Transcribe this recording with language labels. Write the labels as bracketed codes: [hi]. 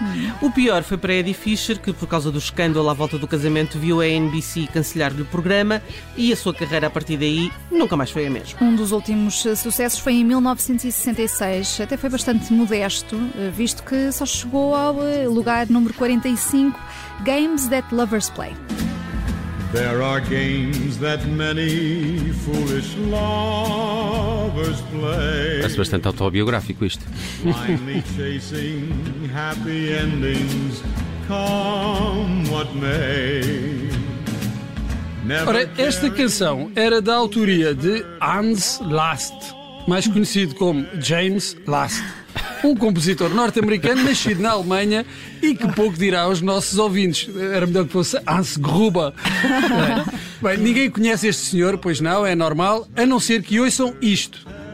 [pt] Nada. O pior foi para Eddie Fisher, que por causa do escândalo à volta do casamento viu a NBC cancelar-lhe o programa e a sua carreira a partir daí nunca mais foi a mesma. Um dos últimos sucessos foi em 1966. Até foi bastante modesto, visto que só chegou ao lugar número 45, Games That Lovers Play. [en] There are games that many foolish lovers play. [pt] Parece bastante autobiográfico isto. [en] Finally chasing happy endings, come what may. [pt] Ora, esta canção era da autoria de Hans Last, mais conhecido como James Last, um compositor norte-americano nascido na Alemanha e que pouco dirá aos nossos ouvintes. Era melhor que fosse Hans Gruber. Bem, ninguém conhece este senhor, pois não, é normal, a não ser que ouçam isto.